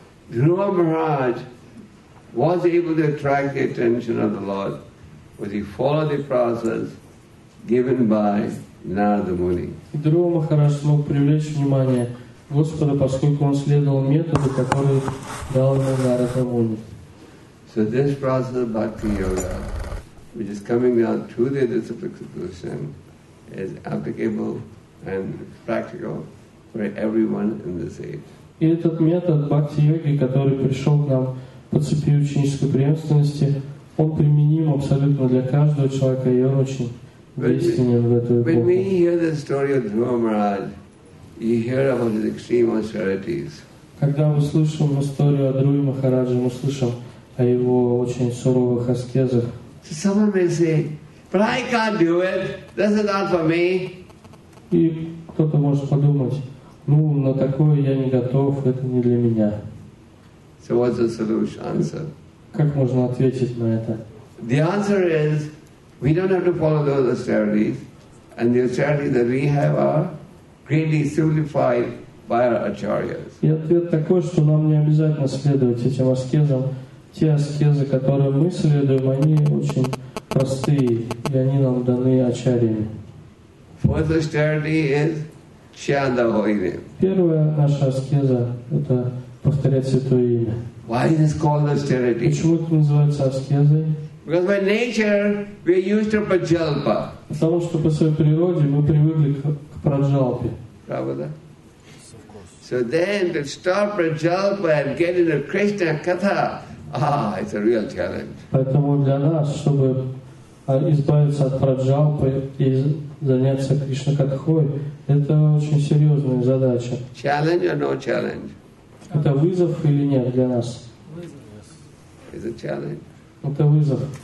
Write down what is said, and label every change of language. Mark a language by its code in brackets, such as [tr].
[en] Дхрува Махарадж was able to attract the attention of the Lord when he followed the process given by Narada Muni. [ru] Дхрува Махарадж смог привлечь внимание Господа, поскольку он следовал методу, который дал ему Нарада Муни. [en] So this process of bhakti yoga, which is coming down through the discipline of devotion, is applicable and practical for everyone in this age. [ru] И этот метод бхакти йоги, который пришел к нам по цепи ученической преемственности, он применим абсолютно для каждого человека, и он очень действенен в эту эпоху. [en] When we hear the story of Dhruva Maharaj, you hear about his extreme austerities. [ru] Когда мы слышим историю о Друве Махарадже, мы слышим о его очень суровых аскезах. [en] So someone may say, but I can't do it. This is not for me. [ru] И кто-то может подумать, ну, на такое я не готов, это не для меня. [en] So what's the solution, answer? [ru] Как можно ответить на это? [en] The answer is, we don't have to follow those austerities. and the acharyas that we have are greatly simplified by our acharyas. [ru] И ответ такой, что нам не обязательно следовать этим аскезам. Те аскезы, которые мы следуем, они очень простые, и они нам даны ачарьями. [en] First austerity is chandavoide. [ru] Первая наша аскеза – это повторять святое имя. [en] Why is this called austerity? [ru] Почему это называется аскезой? [en] Because by nature we are used to prajalpa. [ru] Потому что по своей природе мы привыкли к праджалпе. Правда? [en] So then to stop prajalpa and get into Krishna katha, it's a real challenge. [ru] Поэтому для нас, чтобы избавиться от праджалпы и заняться Кришна катхой, это очень серьезная задача. [en] Challenge or no challenge? [ru] Это вызов или нет для нас? [en] Is it challenge? [ru] Это вызов.